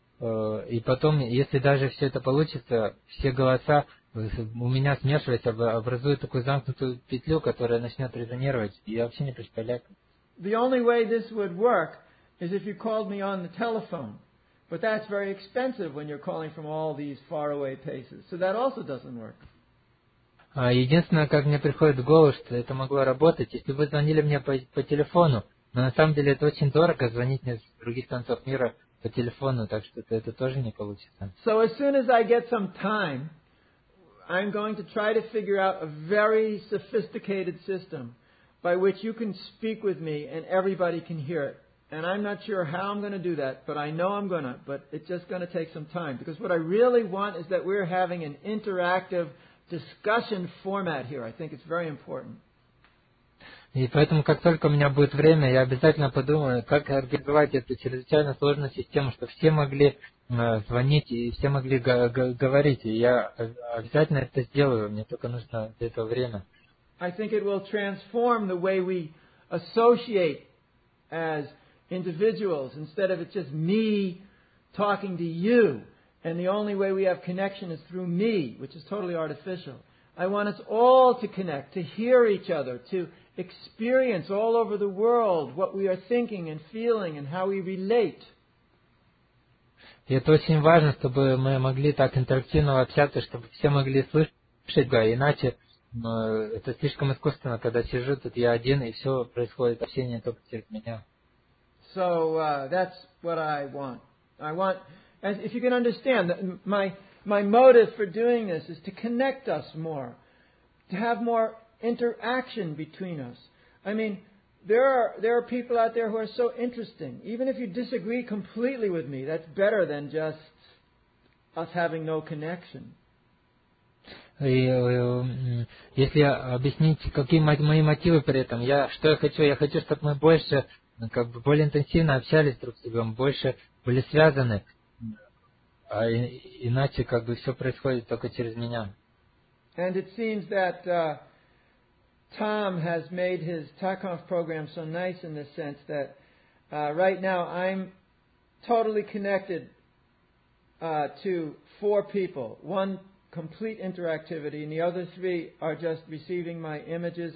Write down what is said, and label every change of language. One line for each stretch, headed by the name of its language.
Russian: И потом, если даже все это получится, все голоса у меня смешиваются, образуют такую замкнутую петлю, которая начнет резонировать. Я вообще не представляю.
English: The only way this would work is if you called me on the telephone. But that's very expensive when you're calling from all these faraway places. So that also doesn't work.
Russian: Единственное, как мне приходит в голову, что это могло работать, если бы вы звонили мне по телефону. Но на самом деле это очень дорого, звонить мне с других концов мира по телефону, так что это тоже не получится.
English: So as soon as I get some time, I'm going to try to figure out a very sophisticated system by which you can speak with me and everybody can hear it. And I'm not sure how I'm going to do that, but I know I'm going to, but it's just going to take some time. Because what I really want is that we're having an interactive discussion format here. I think it's very important.
Russian: И поэтому, как только у меня будет время, я обязательно подумаю, как организовать эту чрезвычайно сложную систему, чтобы все могли звонить и все могли говорить. И я обязательно это сделаю, мне только нужно для этого время.
English: I think it will transform the way we associate as individuals instead of it's just me talking to you. And the only way we have connection is through me, which is totally artificial. I want us all to connect, to hear each other, to experience all over the world what we are thinking and feeling and how we relate.
Russian: И это очень важно, чтобы мы могли так интерактивно общаться, чтобы все могли слышать, да, иначе это слишком искусственно, когда сижу тут я один и все происходит общение только через меня.
English: So that's what I want. I want, as if you can understand, my motive for doing this is to connect us more, to have more interaction between us. I mean, there are people out there who are so interesting. Even if you disagree completely with me, that's better than just us having no connection.
Russian: И если объяснить, какие мои мотивы при этом, я хочу, чтобы мы больше, как бы более интенсивно общались друг с другом, больше были связаны, а иначе как бы все происходит только через меня.
English: And it seems that Tom has made his TACOMF program so nice in this sense that right now I'm totally connected to four people. One complete interactivity, and the other three are just receiving my images.